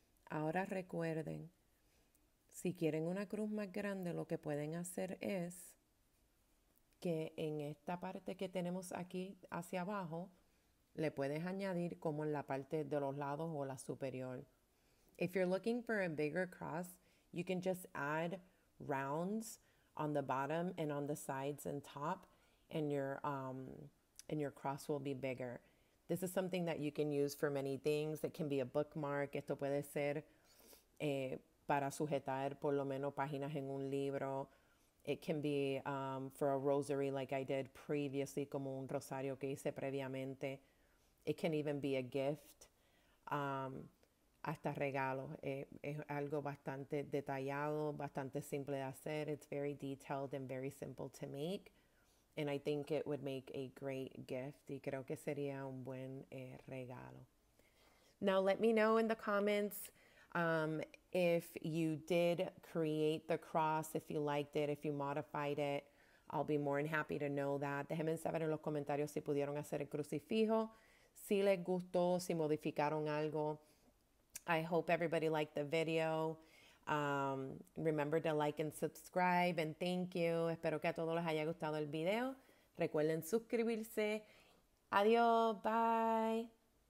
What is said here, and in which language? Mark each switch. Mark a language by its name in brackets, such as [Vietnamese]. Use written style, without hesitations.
[Spanish] Ahora recuerden, si quieren una cruz más grande, lo que pueden hacer es que en esta parte que tenemos aquí hacia abajo, le puedes añadir como en la parte de los lados o la superior. [English] If you're looking for a bigger cross, you can just add rounds on the bottom and on the sides and top, and your cross will be bigger. This is something that you can use for many things. It can be a bookmark. [Spanish] Esto puede ser para sujetar por lo menos páginas en un libro. [English] It can be for a rosary like I did previously, [Spanish] como un rosario que hice previamente. [English] It can even be a gift, [Spanish] hasta regalo. Es algo bastante detallado, bastante simple de hacer. [English] It's very detailed and very simple to make. And I think it would make a great gift. [Spanish] Y creo que sería un buen regalo. [English] Now let me know in the comments if you did create the cross, if you liked it, if you modified it. I'll be more than happy to know that. [Spanish] Déjenme saber en los comentarios si pudieron hacer el crucifijo, si les gustó, si modificaron algo. [English] I hope everybody liked the video. Remember to like and subscribe, and thank you. [Spanish] Espero que a todos les haya gustado el video. Recuerden suscribirse. Adiós. Bye.